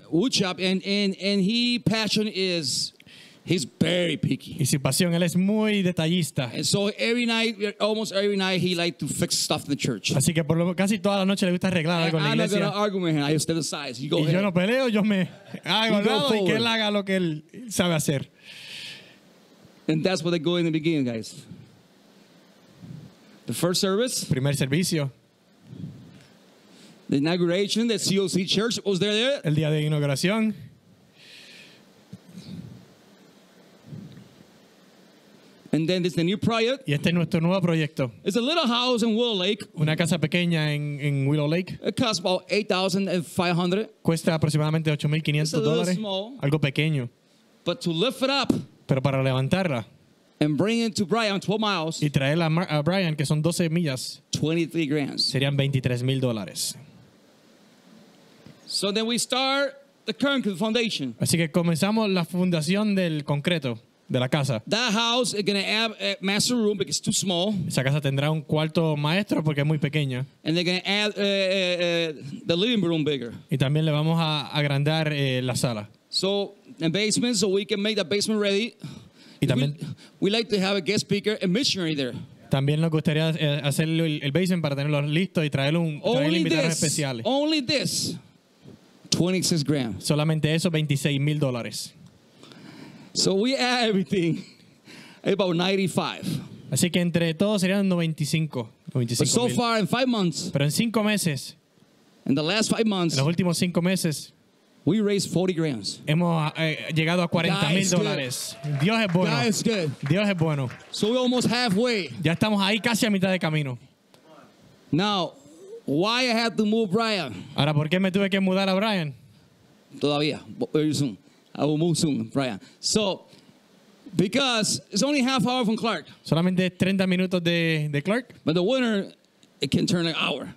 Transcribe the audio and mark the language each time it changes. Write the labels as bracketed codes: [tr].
[en] Wood shop and he passion is he's very picky. [es] Y su pasión, él es muy detallista. [en] And so every night, almost every night, he likes to fix stuff in the church. [es] Así que por lo casi toda la noche le gusta arreglar algo en la iglesia. [en] I'm not gonna argue with him. I just emphasize. You go [es] y [en] ahead. [es] Yo no peleo, yo me hago lado y que él haga lo que él sabe hacer. [en] And that's what they go in the beginning, guys. The first service. [es] Primer servicio. [en] The inauguration, the COC church was there. [es] El día de inauguración. [en] And then there's the new project. [es] Y este es nuestro nuevo proyecto. [en] It's a little house in Willow Lake. [es] Una casa pequeña en Willow Lake. [en] It costs about $8,500. [es] Cuesta aproximadamente $8,500. [en] It's a little small. [es] Algo pequeño. [en] But to lift it up. [es] Pero para levantarla. [en] And bring it to Bryant, 12 miles. [es] Y traerla a Bryant, que son 12 millas. [en] $23,000. [es] Serían $23,000. [en] So then we start the concrete foundation. [es] Así que comenzamos la fundación del concreto. De la casa. [en] That house is going to have a master room because it's too small. [es] Esa casa tendrá un cuarto maestro porque es muy pequeña. [en] And they're going to add the living room bigger. [es] Y también le vamos a agrandar la sala. [en] So, the basement, so we can make the basement ready. [es] Y también, [en] we like to have a guest speaker, a missionary there. [es] También nos gustaría hacer el basement para tenerlo listo y traerle un invitado especial. [en] Only this, $26,000. [es] Solamente eso, $26,000. [en] So we add everything, about 95. [es] Así que entre todos serían 95. [en] But so far in 5 months. [es] Pero en 5 meses. [en] In the last 5 months. [es] En los últimos 5 meses. [en] We raised 40 grams. [es] Hemos llegado a 40 mil dólares. Dios es bueno. [en] God is good. [es] Dios es bueno. [en] So we're almost halfway. [es] Ya estamos ahí casi a mitad de camino. [en] Now, why I had to move Bryant? [es] Ahora, ¿por qué me tuve que mudar a Bryant? Todavía. [en] Very soon. I will move soon, Bryant. So, because it's only half hour from Clark. [es] Solamente 30 minutos de Clark. [en] But the winter, it can turn an hour.